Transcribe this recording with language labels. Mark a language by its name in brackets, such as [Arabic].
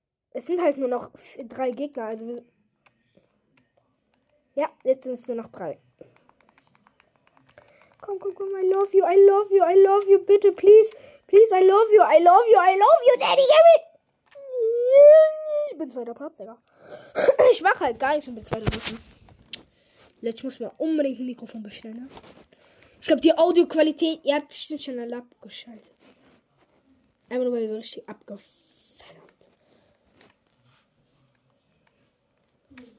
[German] Es sind halt nur noch 3 Gegner, also wir. Ja, jetzt sind es nur noch 3. Komm, [English] I love you, [German] bitte, [English] please, I love you, Daddy, give me. [German] Ich bin zweiter Part, Digga. Ich mache halt gar nichts und bin zweiter Part. Jetzt muss man unbedingt ein Mikrofon bestellen, ne? Ich glaube, die Audioqualität, ihr habt bestimmt schon alle abgeschaltet. Einmal nur, weil ihr so richtig abgefallen habt.